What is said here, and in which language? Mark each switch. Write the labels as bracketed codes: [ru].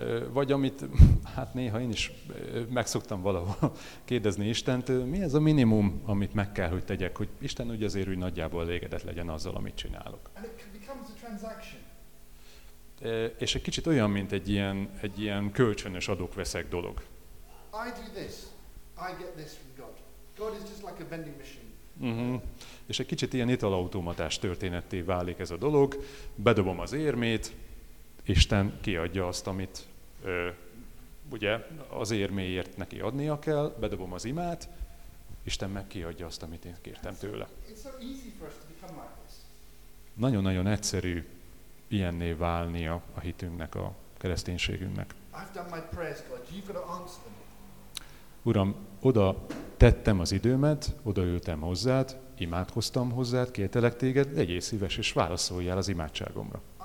[hu] Vagy amit, hát néha én is megszoktam valahol kérdezni Istent, mi ez a minimum, amit meg kell, hogy tegyek, hogy Isten úgy azért, hogy nagyjából elégedett legyen azzal, amit csinálok. [en] And it becomes a transaction. [hu] És egy kicsit olyan, mint egy ilyen kölcsönös adok-veszek dolog. [en] I do this, I get this from God. God is just like a vending machine. [hu] És egy kicsit ilyen italautomatás történetté válik ez a dolog, bedobom az érmét, Isten kiadja azt, amit ugye az érméért neki adnia kell, bedobom az imát, Isten meg kiadja azt, amit én kértem tőle. [en] It's so easy for us to become like this. [hu] Nagyon-nagyon egyszerű ilyenné válnia a hitünknek, a kereszténységünknek. [en] I've done my prayers, God. You've got to answer them. [hu] Uram, oda tettem az időmet, odaültem hozzád, imádkoztam hozzád, kértelek téged, legyél szíves és válaszoljál az imádságomra.